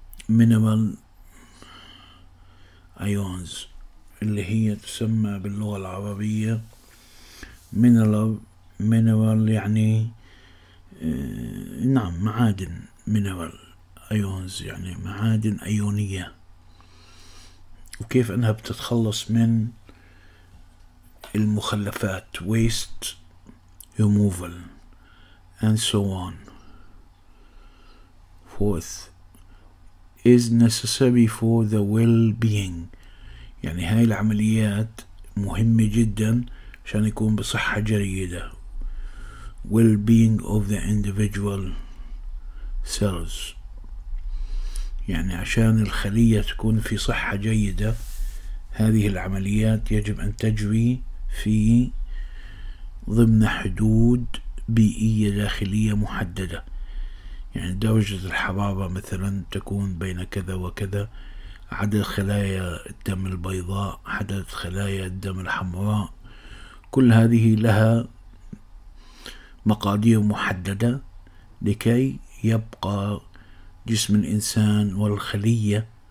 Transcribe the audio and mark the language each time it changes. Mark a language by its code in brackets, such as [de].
[ar] Minimal ions اللي هي تسمى باللغة العربية mineral يعني نعم معادن. Mineral ions يعني معادن أيونية. وكيف أنها بتتخلص من المخلفات [en] waste removal and so on. Fourth is necessary for the well-being. [ar] يعني هاي العمليات مهمة جدا عشان يكون بصحة جيدة. [en] Well-being of the individual cells. [ar] يعني عشان الخلية تكون في صحة جيدة هذه العمليات يجب أن تجري في ضمن حدود بيئية داخلية محددة. يعني درجة الحرارة مثلا تكون بين كذا وكذا، عدد خلايا الدم البيضاء، عدد خلايا الدم الحمراء، كل هذه لها مقادير محددة لكي يبقى جسم الإنسان والخلية.